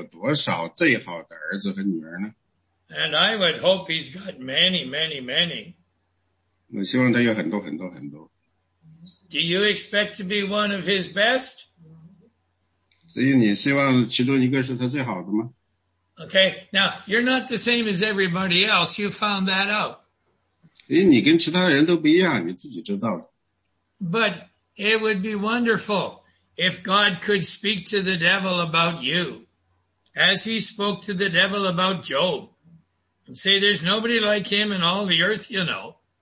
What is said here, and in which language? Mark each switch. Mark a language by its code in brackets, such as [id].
[zh] 今天在世界上主有多少最好的儿子和女儿呢？ [en] And I would hope he's got many, many, many. [zh] 我希望他有很多很多很多。 [en] Do you expect to be one of his best? [zh] 所以你希望其中一个是他最好的吗？ [en] Okay, now, you're not the same as everybody else. You found that out. [zh] 因为你跟其他人都不一样，你自己知道。 [en] But it would be wonderful if God could speak to the devil about you, as he spoke to the devil about Job, and say, there's nobody like him in all the earth, you know.